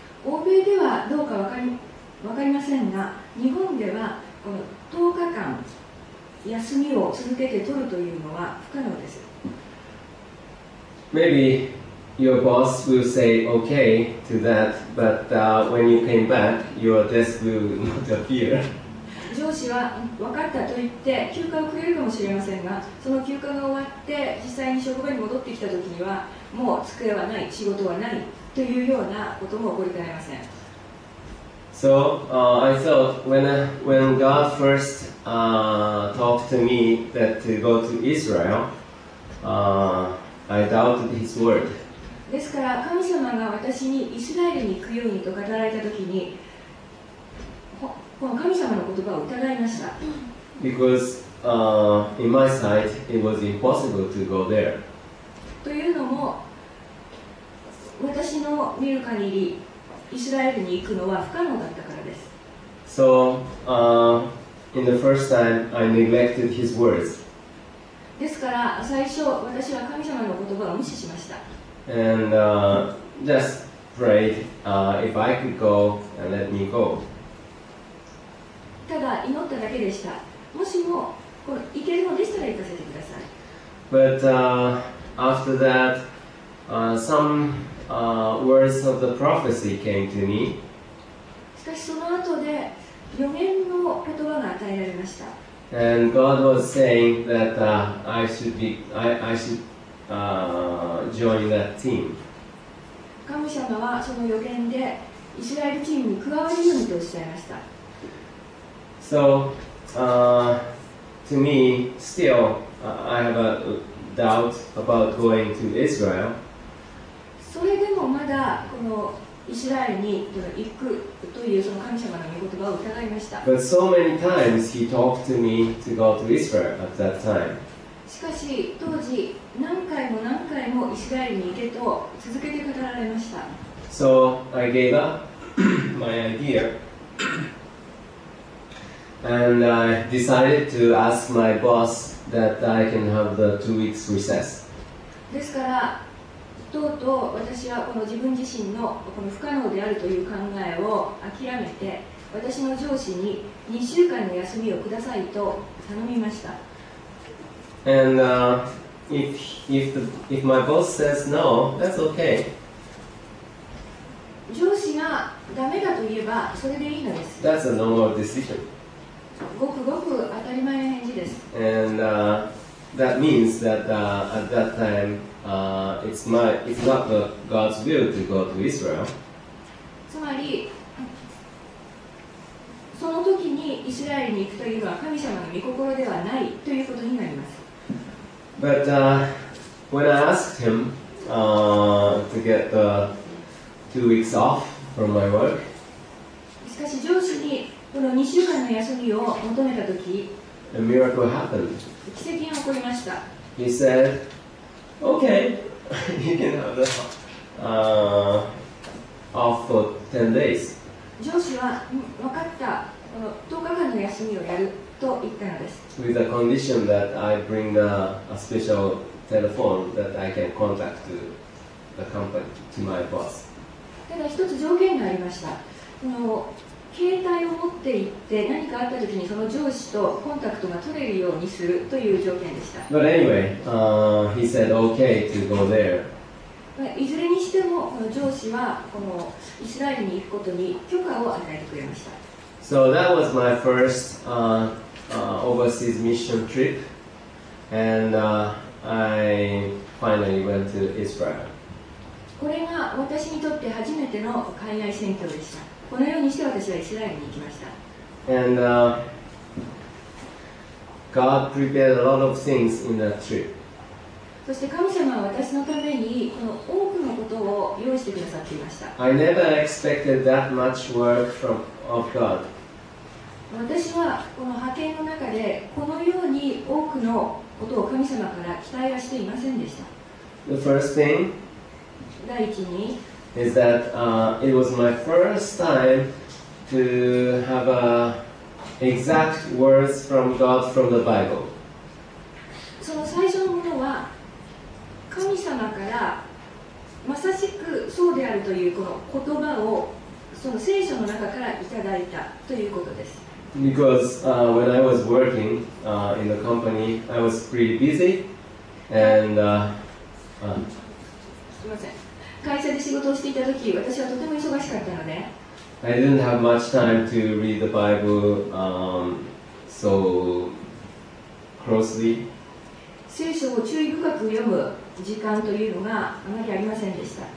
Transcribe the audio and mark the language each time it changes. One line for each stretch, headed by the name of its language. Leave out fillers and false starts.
Japanese: 欧米ではどうか分かりませんが、日本ではこの10日間休みを続けて取るというのは不可能です。
English: Maybe your boss will say okay to that, but when you came back, your desk will not appear.
Japanese: 上司は分かったと言って休暇をくれるかもしれませんが、その休暇が終わって実際に職場に戻ってきた時にはもう机はない、仕事はないというようなことも起こりかねません。
English: So, I thought when God first talked to me that to go to Israel, I doubted his word.
Japanese: ですから神様が私にイスラエルに行くようにと語られた時に、神様の言葉を疑いました。
English: Because, in my sight, it was impossible to go there.
Japanese: というのも、私の見る限り、イスラエルに行くのは不可能だったからです。
English: So, in the first time, I neglected his words.
Japanese: ですから、最初、私は神様の言葉を無視しました。
English: And, just prayed, if I could go, let me go.
Japanese: ただ祈っただけでした。もしも行けるのでしたら行かせてください。
English: But after that, some words of the prophecy came to me.
Japanese: しかしその後で予言の言葉が与えられました。
English: And God was saying that I should join that team.
Japanese: 神様はその予言でイスラエルチームに加わるようにとおっしゃいました。
English: So, to me, still, I have a doubt about going to Israel.
Japanese: それでもまだこのイスラエルに行くというその神様の御言葉を伺いました。
English: But so many times he talked to me to go to Israel at that time.
Japanese: しかし当時何回も何回もイスラエルに行けと続けて語られました。
English: So I gave up my idea and I decided to ask my boss that I can have the 2 weeks recess.
Japanese: ですから、とうとう私はこの自分自身のこの不可能であるという考えを諦めて、私の上司に2週間の休みをくださいと頼みました。
English: And、if my boss says no, that's okay.
Japanese: 上司がダメだと言えばそれでいいのです。
English: That's a normal decision.
Japanese: ごくごく当たり前の返事です。
English: And、that means that、at that time、it's not the God's will to go to Israel.
Japanese: つまり、その時にイスラエルに行くというのは神様の御心ではないということになります。
English: But、when I asked him、to get the 2 weeks off from my work,
Japanese: しかし上司にこの2週間の休みを求めた時、
English: a miracle happened.
Japanese: 奇跡が起こりました。
English: He said, okay, you can have the、off for 10 days.
Japanese: 上司は、分かった、この10日間の休みをやると言ったのです。
English: With a condition that I bring a special telephone that I can contact to the company, to my boss.
Japanese: ただ一つ条件がありました。この携帯を持って行って何かあったときにその上司とコンタクトが取れるようにするという条件でした。
English: But anyway, he said okay to go there.
Japanese: いずれにしてもこの上司はこのイスラエルに行くことに許可を与えてくれました。
English: So that was my first overseas mission trip, and I finally went to Israel.
Japanese: これが私にとって初めての海外宣教でした。このようにして私はイスラエルに行きました。
English: And、God prepared a lot of things in that trip.
Japanese: そして神様は私のためにこの多くのことを用意してくださっていました。
English: I never expected that much work from of God.
Japanese: 私はこの派遣の中でこのように多くのことを神様から期待はしていませんでした。
English: The first thing.
Japanese: 第一に。
English: Is that、it was my first time to have exact words from God from the Bible.
Japanese: その最初のものは神様からまさしくそうであるというこの言葉をその聖書の中からいただいたということです。
English: Because、when I was working、in the company, I was pretty busy and、
Japanese: すみません。会社で仕事をしていた時、私はとても忙しかったので、
English: I didn't have much time to read the Bible, so closely.
Japanese: 聖書を注意深く読む時間というのがあまりありませんでした。